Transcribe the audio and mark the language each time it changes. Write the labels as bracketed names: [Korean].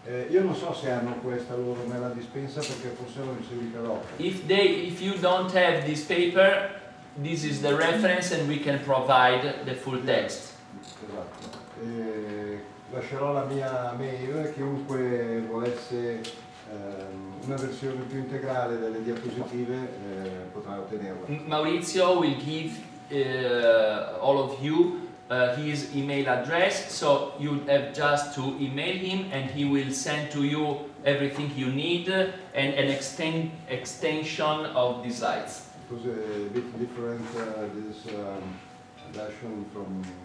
[Italian] Io non so se hanno questa loro, me la dispensa perché forse l'ho inserita dopo. [English] If you don't have this paper, this is the reference and we can provide the full text. [Italian] Esatto. Lascerò la mia mail a chiunque volesse una versione più integrale delle diapositive potrà ottenerla. [English] Maurizio will give all of you his email address, so you have just to email him and he will send to you everything you need and an extension of the slides. It was a bit different, this version from...